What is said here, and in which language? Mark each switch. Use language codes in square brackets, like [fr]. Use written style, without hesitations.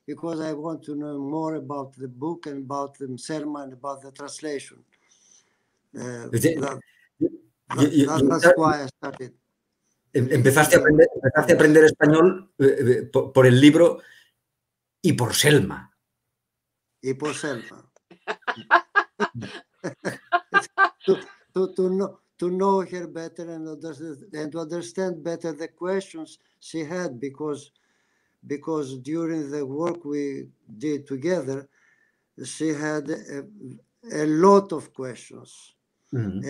[en] because I want to know more about the book and about the sermon, about the translation. That's why I started. [es] Empezaste a aprender español por el libro y por Selma. Y por Selma. [en] to know her better and to understand better the questions she had because during the work we did together, she had a lot of questions. Mm-hmm.